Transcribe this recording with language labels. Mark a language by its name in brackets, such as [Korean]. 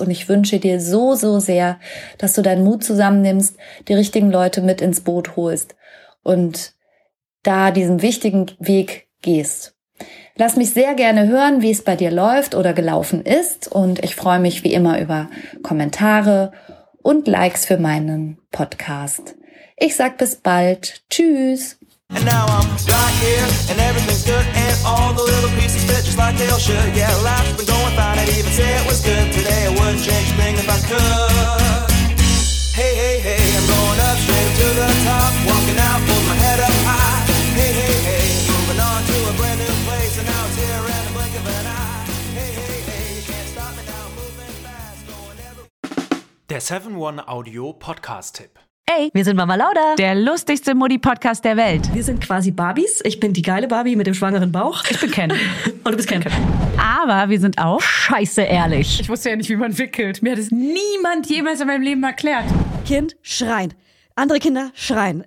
[German] Und ich wünsche dir so, so sehr, dass du deinen Mut zusammennimmst, die richtigen Leute mit ins Boot holst und da diesen wichtigen Weg gehst. Lass mich sehr gerne hören, wie es bei dir läuft oder gelaufen ist. Und ich freue mich wie immer über Kommentare und Likes für meinen Podcast. Ich sag bis bald. Tschüss. [English] And now I'm back here, and everything's good, and all the little pieces fit just like they all should. Yeah, life's been going fine, I'd even say it was good. Today I wouldn't change a thing if I could. Hey, hey, hey, I'm going up straight to the top, walking out, pull my head up high. Hey, hey, hey, moving on to a brand new place, and now it's here in the blink of an eye. Hey, hey, hey, you can't stop me now, moving fast, going everywhere. [German] Der 7-1 Audio Podcast Tipp. Hey, wir sind Mama Lauda, der lustigste Mutti-Podcast der Welt. Wir sind quasi Barbies. Ich bin die geile Barbie mit dem schwangeren Bauch. Ich bin Ken. Und du bist Ken. Aber wir sind auch scheiße ehrlich. Ich wusste ja nicht, wie man wickelt. Mir hat es niemand jemals in meinem Leben erklärt. Kind schreien. Andere Kinder schreien.